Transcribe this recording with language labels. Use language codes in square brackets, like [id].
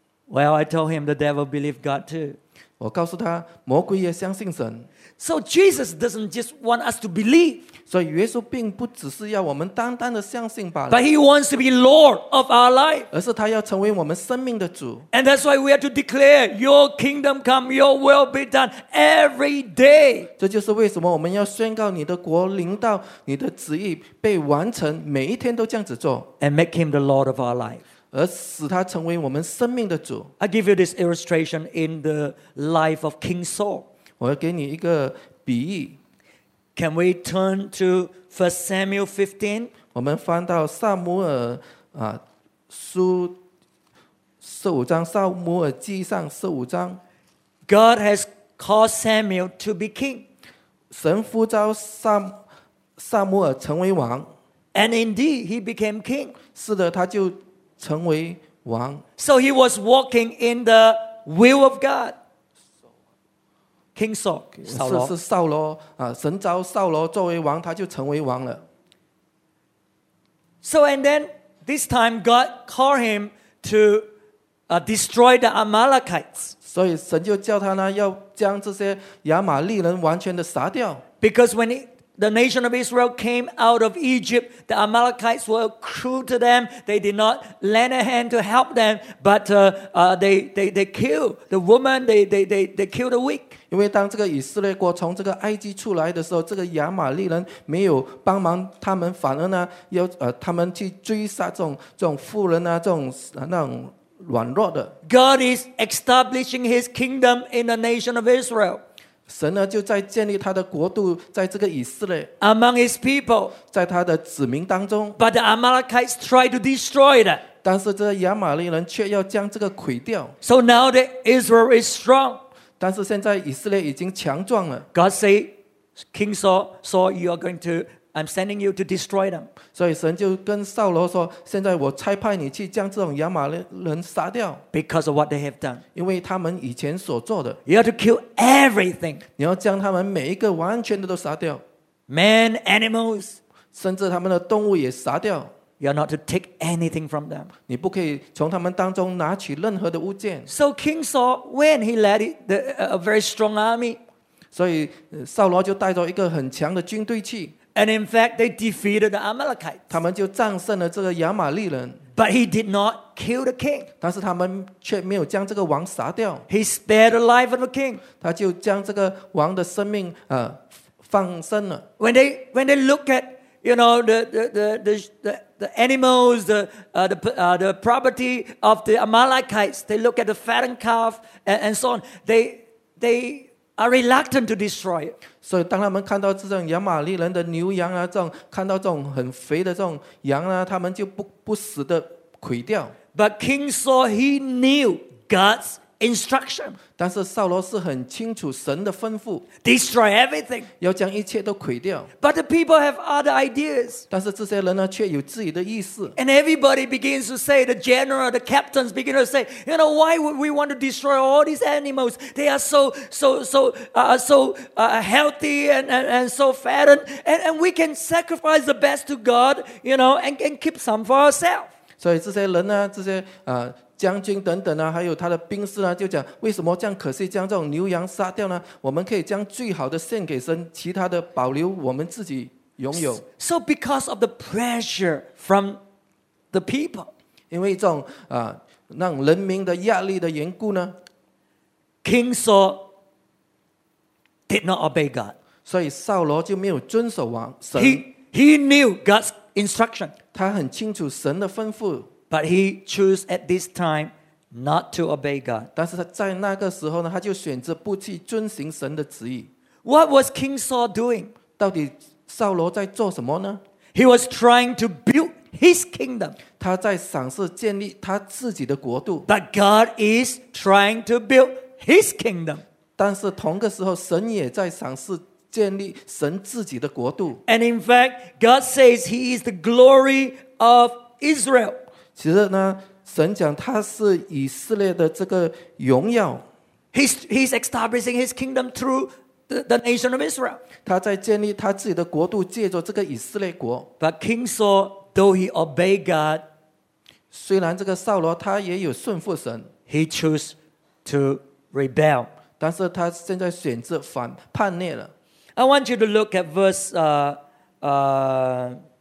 [en] Well, I told him the devil believed God too. [zh] 我告诉他，魔鬼也相信神。 [en] So Jesus doesn't just want us to believe. [zh] 所以耶稣并不只是要我们单单的相信罢了。 [en] But he wants to be Lord of our life. [zh] 而是他要成为我们生命的主。 [en] And that's why we have to declare, your kingdom come, your will be done every day. [zh] 这就是为什么我们要宣告你的国临到你的旨意被完成每一天都这样子做。 [en] And make him the Lord of our life. [zh] 而使他成为我们生命的主。 [en] I give you this illustration in the life of King Saul. [zh] 我要给你一个比喻。 [en] Can we turn to 1 Samuel 15? [zh] 我们翻到撒母耳书十五章，撒母耳记上十五章。 [en] God has called Samuel to be king. [zh] 神呼召撒母耳成为王。 [en] And indeed, he became king. [zh] 是的，他就成为王。 [en] So he was walking in the will of God. King Saul. [zh] 是扫罗啊，神召扫罗作为王，他就成为王了。 [en] So and then this time God called him to destroy the Amalekites. [zh] 所以神就叫他呢，要将这些亚玛利人完全的杀掉。 [en] Because when the nation of Israel came out of Egypt, the Amalekites were cruel to them. They did not lend a hand to help them, but they killed the woman, they killed the weak. [zh] 因为当这个以色列国从这个埃及出来的时候，这个亚玛利人没有帮忙他们，反而呢，要他们去追杀这种妇人啊，那种软弱的。 [en] God is establishing His kingdom in the nation of Israel. [zh] 神呢就在建立他的国度，在这个以色列 [en] among his people， [zh] 在他的子民当中。 [en] But the Amalekites try to destroy that， [zh] 但是这亚玛利人却要将这个毁掉。 [en] So now that Israel is strong， [zh] 但是现在以色列已经强壮了。 [en] God say， King Saul， you are going to， I'm sending you to destroy them。 [zh] 所以神就跟扫罗说，现在我差派你去将这种亚玛利人杀掉。 [en] Because of what they have done， [zh] 因为他们以前所做的。 [en] You have to kill everything， [zh] 你要将他们每一个完全的都杀掉。 [en] Man， animals， [zh] 甚至他们的动物也杀掉。 [en] You are not to take anything from them， [zh] 你不可以从他们当中拿取任何的物件。 [en] So King Saul， when he led a very strong army， [zh] 所以扫罗就带着一个很强的军队去。 [en] And in fact, they defeated the Amalekites. [zh] 他们就战胜了这个亚玛利人。 [en] But he did not kill the king. [zh] 但是他们却没有将这个王杀掉。 [en] He spared the life of the king. [zh] 他就将这个王的生命放生了。 [en] When they look at, you know, the animals, the property of the Amalekites, they look at the fattened calf and so on. They are reluctant to destroy it. [zh] 所以当他们看到这种亚玛利人的牛羊啊，看到这种很肥的这种羊啊，他们就不死的毁掉。 [en] But King Saul, he knew God's instruction. [zh] 但是扫罗是很清楚神的吩咐。 [en] Destroy everything. [zh] 要将一切都毁掉。 [en] But the people have other ideas. [zh] 但是这些人呢，却有自己的意思。 [en] And everybody begins to say, the general, the captains begin to say, you know, why would we want to destroy all these animals? They are so healthy and so fat, and we can sacrifice the best to God, you know, and keep some for ourselves. [zh] 所以这些人呢，将军等等啊，还有他的兵士啊，就讲为什么这样可惜将这种牛羊杀掉呢？我们可以将最好的献给神，其他的保留我们自己拥有。 [en] So because of the pressure from the people， [zh] 因为这种让人民的压力的缘故呢 [en] ，King Saul did not obey God， [zh] 所以扫罗就没有遵守王神。 [en] He knew God's instruction， [zh] 他很清楚神的吩咐。 [en] But he chose at this time not to obey God. [zh] 但是他在那个时候呢，他就选择不去遵行神的旨意。 [en] What was King Saul doing? [zh] 到底扫罗在做什么呢？ [en] He was trying to build his kingdom. [zh] 他在尝试建立他自己的国度。 [en] But God is trying to build his kingdom. [zh] 但是同个时候，神也在尝试建立神自己的国度。 [en] And in fact, God says he is the glory of Israel. [zh] 其实呢，神讲他是以色列的这个荣耀。 [en] He's establishing his kingdom through the nation of Israel. [zh] 他在建立他自己的国度，借着这个以色列国。 [en] But King Saul, though he obeyed God, [zh] 虽然这个扫罗他也有顺服神 [en] ，he chose to rebel. [zh] 但是他现在选择反叛逆了。 [en] I want you to look at verse 20.